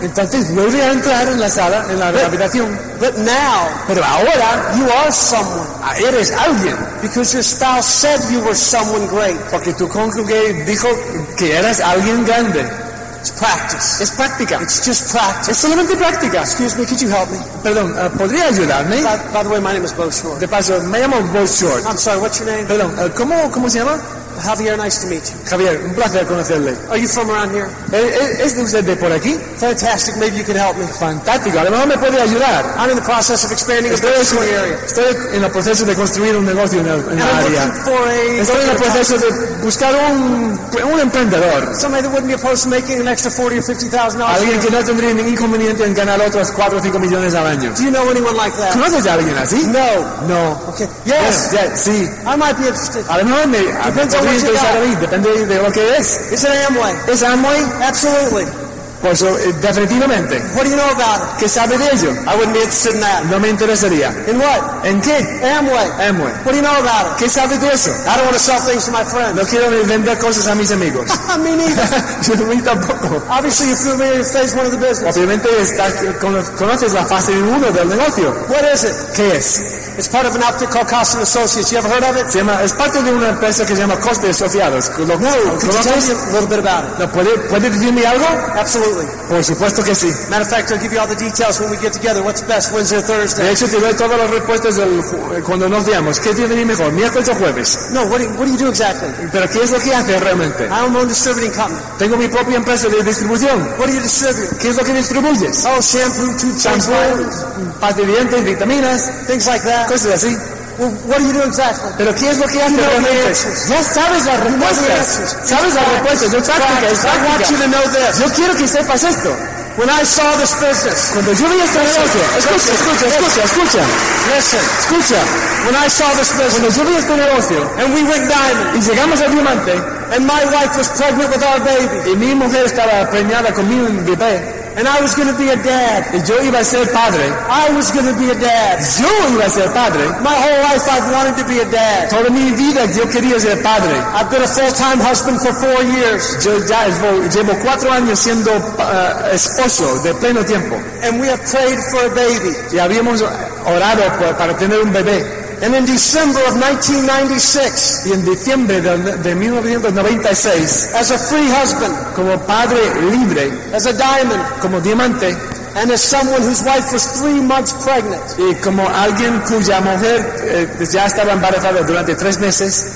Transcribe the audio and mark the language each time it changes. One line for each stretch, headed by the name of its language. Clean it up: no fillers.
Spanish: Entonces vuelve a entrar en la sala, en la habitación.
English: But now,
Spanish: pero ahora,
English: you are someone.
Spanish: Eres alguien.
English: Because your spouse said you were someone great.
Spanish: Porque tu cónyuge dijo que eras alguien grande.
English: It's practice.
Spanish: Es práctica.
English: It's just practice.
Spanish: Es solamente práctica.
English: Excuse me, could you help me?
Spanish: Perdón, ¿podría ayudarme?
English: By the way, my name is Bo Short.
Spanish: De paso, me llamo Bo Short.
English: I'm sorry, what's your name?
Spanish: Perdón, ¿cómo se llama?
English: Javier, nice to meet you.
Spanish: Javier, un placer conocerle.
English: Are you from around here?
Spanish: ¿Es usted de por aquí?
English: Fantastic, maybe you can help me.
Spanish: Fantástico, a lo mejor me puede ayudar.
English: I'm in the process of expanding a business in the area.
Spanish: Estoy en el proceso de construir un negocio en el área. Estoy en el proceso de buscar un emprendedor.
English: Somebody that wouldn't be opposed to making an extra $40,000 or $50,000.
Spanish: Alguien que no tendría ningún inconveniente en ganar otros 4 o 5 millones al año.
English: Do you know anyone like that?
Spanish: ¿Conoces a alguien así?
English: No.
Spanish: No.
English: Okay. Yes. Yes.
Spanish: Sí.
English: I might be interested.
Spanish: A lo mejor me depende de lo que es.
English: Is it Amway?
Spanish: ¿Es Amway?
English: Absolutely.
Spanish: Pues definitivamente.
English: What do you know about it?
Spanish: ¿Qué sabe de ello?
English: I wouldn't be interested in that.
Spanish: No me interesaría.
English: In what?
Spanish: ¿En qué?
English: Amway.
Spanish: Amway.
English: What do you know about it?
Spanish: ¿Qué sabe de eso?
English: I don't want to sell things to my friends.
Spanish: No quiero vender cosas a mis amigos.
English: Me neither.
Spanish: Yo, mí tampoco.
English: Obviously you're familiar with phase one of the business.
Spanish: Obviamente conoces la fase 1 del negocio.
English: What is it?
Spanish: ¿Qué es?
English: It's part of an outfit called Costa Associates. You ever heard of it?
Spanish: Se llama, es parte de una empresa que se llama Costa Associados.
English: No, could you tell me a little bit about it?
Spanish: No, ¿puede decirme algo?
English: Absolutely.
Spanish: Por supuesto que sí.
English: Matter of fact, I'll give you all the details when we get together. What's best, Wednesday or Thursday?
Spanish: De hecho, te doy todas las respuestas cuando nos veamos. ¿Qué día viene mejor, miércoles o jueves?
English: No, what do you do exactly?
Spanish: ¿Pero qué es lo que hace realmente?
English: I own a distributing company.
Spanish: Tengo mi propia empresa de distribución.
English: What do you distribute?
Spanish: ¿Qué es lo que distribuyes?
English: Oh, shampoo, toothpaste,
Spanish: pasta de dientes, vitaminas.
English: Things like that.
Spanish: Cosas así.
English: Well, what are you doing exactly?
Spanish: ¿Pero qué es lo que haces realmente? Ya sabes las respuestas. Sabes las respuestas. Es práctica. Es práctica.
English: I want you to know this.
Spanish: Yo quiero que sepas esto.
English: When I saw this business.
Spanish: Cuando yo vi este negocio. Escucha.
English: Listen.
Spanish: Escucha.
English: When I saw this business.
Spanish: Cuando yo vi este negocio.
English: And we went diamond.
Spanish: Y llegamos al diamante.
English: And my wife was pregnant with our baby.
Spanish: Y mi mujer estaba preñada con mi bebé.
English: And I was going to be a dad.
Spanish: Y yo iba a ser padre.
English: I was going to be a dad.
Spanish: Yo iba a ser padre.
English: My whole life I've wanted to be a dad.
Spanish: Toda mi vida yo quería ser padre.
English: I've been a full-time husband for 4 years.
Spanish: Llevo 4 años siendo esposo de pleno tiempo.
English: And we have prayed for a baby.
Spanish: Y habíamos orado para tener un bebé.
English: And in December of 1996,
Spanish: y en diciembre de 1996,
English: as a free husband,
Spanish: como padre libre,
English: as a diamond,
Spanish: como diamante,
English: and as someone whose wife was 3 months pregnant,
Spanish: y como alguien cuya mujer ya estaba embarazada durante 3 meses,